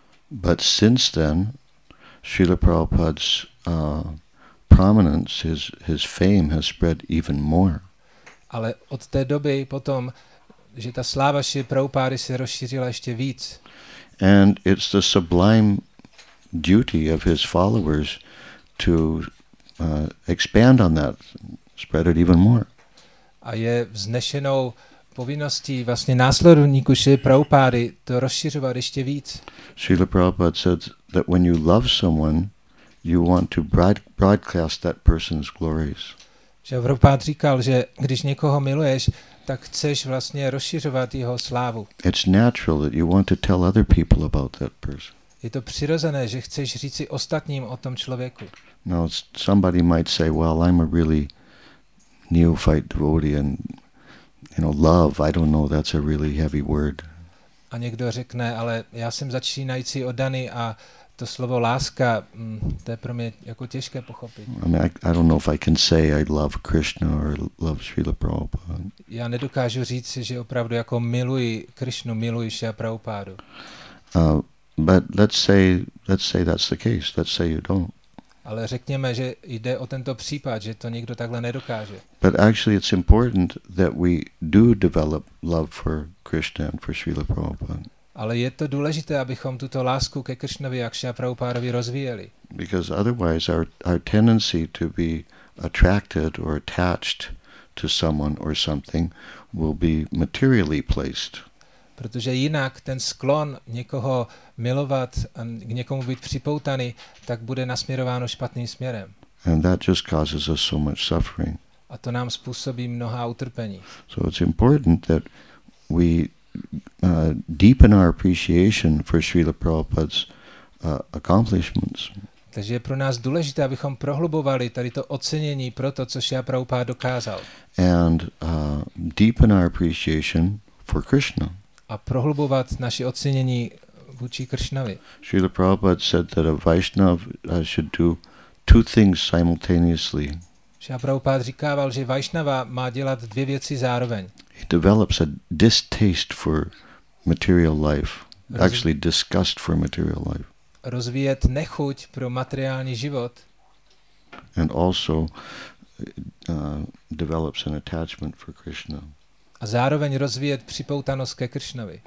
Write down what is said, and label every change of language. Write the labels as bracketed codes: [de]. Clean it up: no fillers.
[en] But since then, Srila Prabhupada's prominence, his fame has spread even more. [cs] Ale od té doby potom, že ta sláva Šíly Prabhupády se rozšířila ještě víc. [en] And it's the sublime duty of his followers to expand on that, spread it even more. [cs] A je vznešenou povinností vlastně následovníků Šíly Prabhupády to rozšiřovat ještě víc. [en] Srila Prabhupada said that when you love someone, you want to broadcast that person's glories. [cs] Že Prabhupád říkal, že když někoho miluješ, tak chceš vlastně rozšiřovat jeho slávu. [en] It's natural that you want to tell other people about that person. [cs] Je to přirozené, že chceš říci ostatním o tom člověku. [en] Now somebody might say, well, I'm a really neophyte devotee and you know, love, I don't know, that's a really heavy word. [cs] A někdo řekne, ale já jsem začínající oddaný a to slovo láska, to je pro mě jako těžké pochopit. [en] I mean, I don't know if I can say I love Krishna or love Srila Prabhupada. [cs] Já nedokážu říct, že opravdu jako miluji Krishnu, miluji Srila Prabhupádu. [en] But let's say that's the case. Let's say you don't. [cs] Ale řekněme, že jde o tento případ, že to nikdo takhle nedokáže. [en] But actually it's important that we do develop love for Krishna and for Srila Prabhupada. [cs] Ale je to důležité, abychom tuto lásku ke Krishnovi a Srila Prabhupádovi rozvíjeli. [en] Because otherwise our tendency to be attracted or attached to someone or something will be materially placed. [cs] Protože jinak ten sklon někoho milovat a k někomu být připoutaný, tak bude nasměrováno špatným směrem. [en] And that just causes us so much suffering. [cs] A to nám způsobí mnohá utrpení. [en] So it's important that we deepen our appreciation for Srila Prabhupada's accomplishments. [cs] Takže je pro nás důležité, abychom prohlubovali tady to ocenění pro to, co Srila Prabhupada dokázal. [en] And deepen our appreciation for Krishna. [cs] A prohlubovat naše ocenění vůči Krishnovi. [en] Srila Prabhupada said that a Vaishnava should do two things simultaneously. [cs] Srila Prabhupada říkával, že Vaishnava má dělat dvě věci zároveň. [en] He develops a distaste for material life, actually disgust for material life. [cs] Rozvíjet nechuť pro materiální život. [en] And also develops an attachment for Krishna. [cs] A zároveň rozvíjet připoutanost ke Krishnovi.